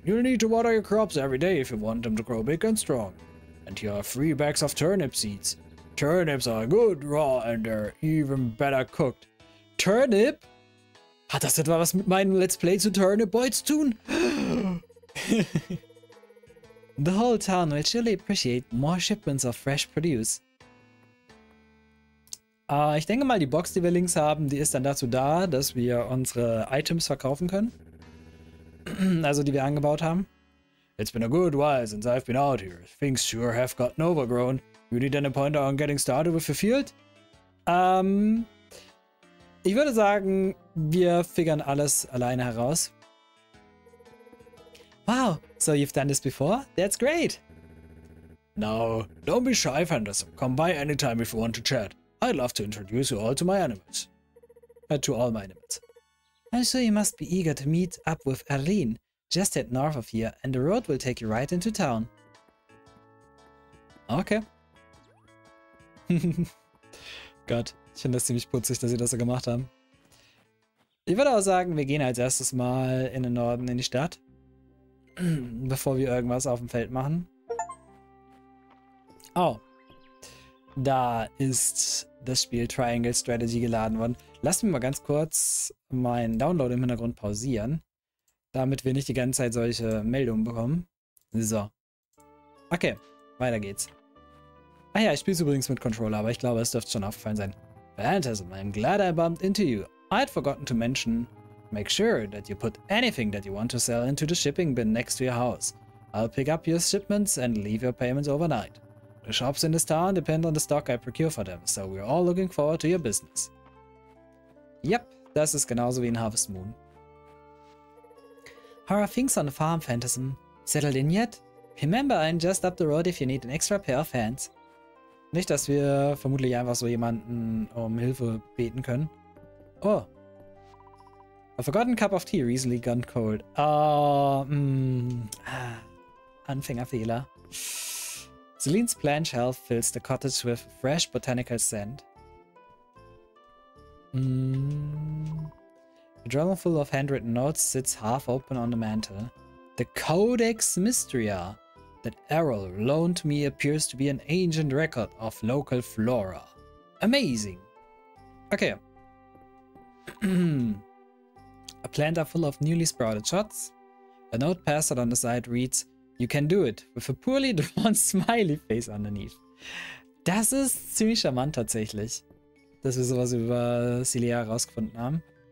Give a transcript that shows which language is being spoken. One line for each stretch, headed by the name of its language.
English: You'll need to water your crops every day if you want them to grow big and strong. And here are 3 bags of turnip seeds. Turnips are good raw and they're even better cooked. Turnip?
German: Hat das etwa was mit meinem Let's Play zu Turnip Boy zu tun?
English: The whole town will surely appreciate more shipments of fresh produce.
German: Ich denke mal, die Box, die wir links haben, die ist dann dazu da, dass wir unsere Items verkaufen können. Also, die wir angebaut haben.
English: It's been a good while since I've been out here. Things sure have gotten overgrown. You need any pointer on getting started with your field?
German: Ich würde sagen, wir figuren alles alleine heraus.
English: Wow, so you've done this before? That's great. Now, don't be shy, Phantasm. Come by anytime if you want to chat. I'd love to introduce you all to my animals. To all my animals. I'm sure you must be eager to meet up with Arlene. Just head north of here and the road will take you right into town. Okay.
German: Gott, ich finde das ziemlich putzig, dass sie das so gemacht haben. Ich würde auch sagen, wir gehen als erstes mal in den Norden, in die Stadt. Bevor wir irgendwas auf dem Feld machen. Oh. Da ist das Spiel Triangle Strategy geladen worden. Lass mich mal ganz kurz meinen Download im Hintergrund pausieren. Damit wir nicht die ganze Zeit solche Meldungen bekommen. So. Okay, weiter geht's. Ah ja, ich spiele übrigens mit Controller, aber ich glaube, es dürfte schon aufgefallen sein.
English: Phantasm, I'm glad I bumped into you. I had forgotten to mention, make sure that you put anything that you want to sell into the shipping bin next to your house. I'll pick up your shipments and leave your payments overnight. The shops in this town depend on the stock I procure for them, so we're all looking forward to your business.
German: Yep, das ist genauso wie in Harvest Moon.
English: How are things on the farm, Phantasm? Settled in yet? Remember, I'm just up the road if you need an extra pair of hands.
German: Nicht, dass wir vermutlich einfach so jemanden um Hilfe beten können. Oh,
English: A forgotten cup of tea recently gone cold.
German: Anfängerfehler.
English: Celine's plant shelf fills the cottage with fresh botanical scent. A journal full of handwritten notes sits half open on the mantel. The Codex Mystria that Errol loaned me appears to be an ancient record of local flora. Amazing. Okay. A planter full of newly sprouted shots. A note pasted on the side reads, "You can do it," with a poorly drawn smiley face underneath.
German: Das ist ziemlich charmant tatsächlich, dass wir sowas über Celia herausgefunden haben.